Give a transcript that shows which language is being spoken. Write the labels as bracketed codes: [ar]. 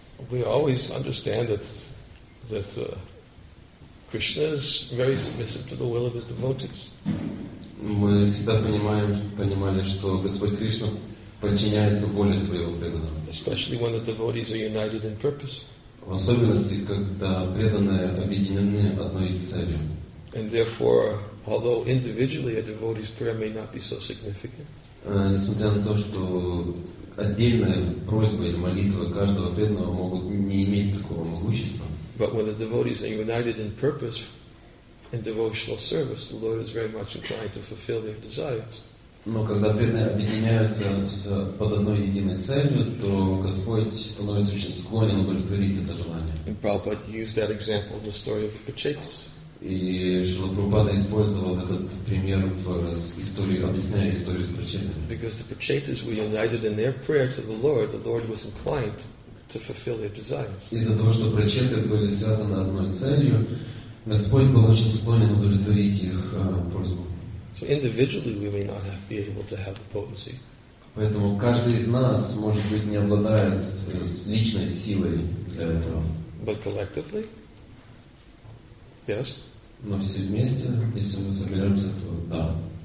[en] We always understand that Krishna is very submissive to the will of his devotees. [ru] Мы всегда понимали, что Господь Кришна подчиняется воле своего преданного. [en] Especially when the devotees are united in purpose. [ru] В особенности, когда преданные объединены одной целью. [en] And therefore, although individually a devotee's prayer may not be so significant. [ru] Несмотря на то, что отдельная просьба или молитва каждого преданного могут не иметь такого могущества. [en] But when the devotees are united in purpose. In devotional service, the Lord is very much inclined to fulfill their desires. [ru] Но когда преданные объединяются под одной единой целью, то Господь становится очень склонен удовлетворить это желание. [en] And Prabhupada used that example in the story of the Pachetas. [ru] И Шрила Прабхупада использовал этот пример в истории, объясняя историю с Пачетами. [en] Because the Pachetas were united in their prayer to the Lord was inclined to fulfill their desires. [ru] Из-за того, что Пачеты были связаны одной целью. Господь был очень склонен удовлетворить их просьбу. [en] So individually we may not be able to have the potency. [ru] Поэтому каждый из нас, может быть, не обладает личной силой для этого. [en] But collectively? Yes. [ru] Но все вместе, если мы соберемся, то да.